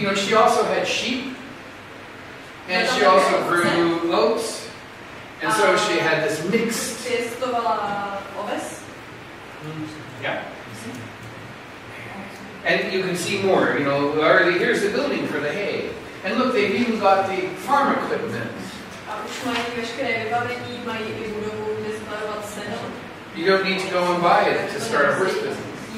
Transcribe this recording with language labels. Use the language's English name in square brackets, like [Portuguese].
[English] You know, she also had sheep, and she also grew oats. And so she had this mix. [Czech] Pěstovala oves? [English] Yeah. And you can see more, you know, already here's the building for the hay. And look, they've even got the farm equipment. [Czech] A už mají veškeré vybavení, mají i budovu, kde spalovat seno. [English] You don't need to go and buy it to start a horse business.